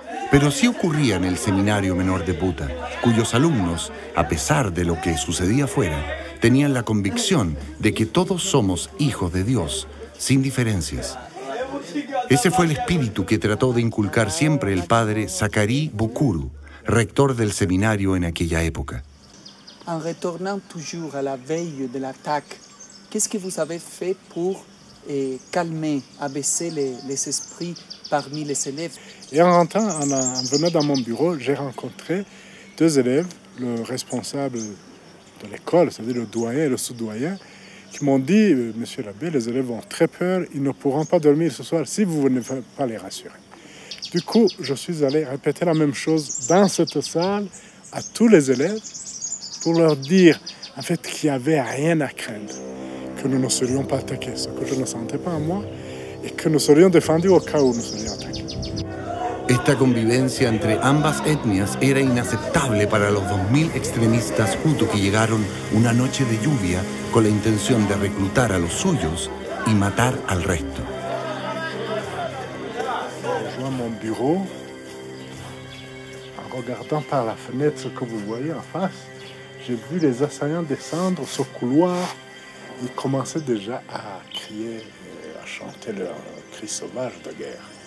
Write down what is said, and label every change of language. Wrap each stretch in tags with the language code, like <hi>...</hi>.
<es>Pero sí ocurría en el seminario menor de Buta, cuyos alumnos, a pesar de lo que sucedía afuera, tenían la convicción de que todos somos hijos de Dios, sin diferencias. Ese fue el espíritu que trató de inculcar siempre el padre Zacharie Bukuru, rector del seminario en aquella época.</es> <fr>En retornant toujours à la veille de l'attaque, qu'est-ce que vous avez fait pour calmer, abaisser les esprits parmi les élèves? Et en rentrant, en venant dans mon bureau, j'ai rencontré deux élèves, le responsable de l'école, c'est-à-dire le doyen et le sous-doyen, qui m'ont dit, monsieur l'abbé, les élèves ont très peur, ils ne pourront pas dormir ce soir si vous ne venez pas les rassurer. Du coup, je suis allé répéter la même chose dans cette salle à tous les élèves pour leur dire, en fait, qu'il n'y avait rien à craindre, que nous ne serions pas attaqués, ce que je ne sentais pas en moi, et que nous serions défendus au cas où nous serions attaqués.</fr> <es>Esta convivencia entre ambas etnias era inaceptable para los 2.000 extremistas Hutu que llegaron una noche de lluvia con la intención de reclutar a los suyos y matar al resto. Yo en mi</es> <fr>bureau, en regardant par la fenêtre que vous voyez en face, j'ai vu les assaillants descendre ce couloir y commencer déjà a crier, a chanter leur cri sauvage de guerre.</fr>